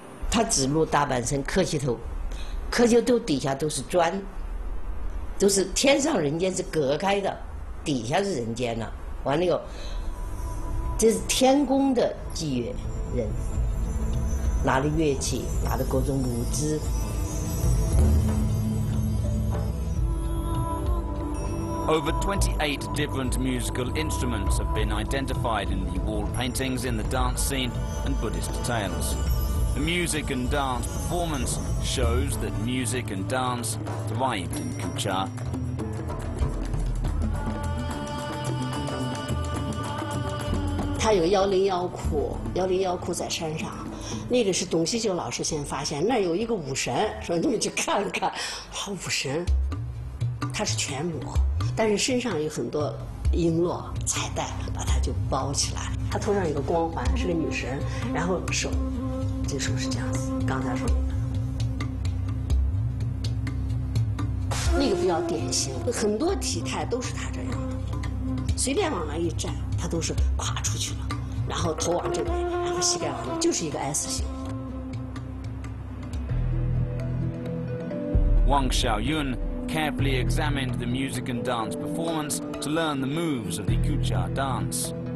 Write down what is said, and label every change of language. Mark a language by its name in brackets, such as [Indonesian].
[Chinese] 它只露大半身，磕膝头，磕膝头底下都是砖，都是天上人间是隔开的，底下是人间了。完了以后。这是天宫的祭乐人，拿着乐器，拿着各种舞姿。 [English] Over 28 different musical instruments have been identified in the wall paintings in the dance scene and Buddhist tales. The music and dance performance shows that music and dance thrived in Kuchar. [Chinese] 它有101窟，101窟在山上，那个是董希九老师先发现，那有一个武神，说你们去看看。好，武神，他是全裸，但是身上有很多璎珞彩带把他就包起来，他头上有个光环，是个女神，然后手，这手是这样子，刚才说的那个比较典型，很多体态都是他这样的，随便往那一站，他都是跨出去了，然后头往这边，然后膝盖往那，就是一个 S 型。 [English] Wang Xiaoyun carefully examined the music and dance performance to learn the moves of the Guja dance.